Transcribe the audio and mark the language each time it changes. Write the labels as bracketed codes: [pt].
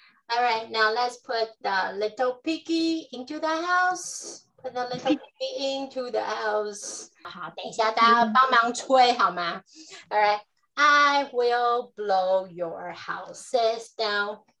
[en] All right, now let's put the little piggy into the house. Put the little piggy into the house. [zh] 好，等一下大家帮忙吹好吗？ [en] All right, I will blow your houses down.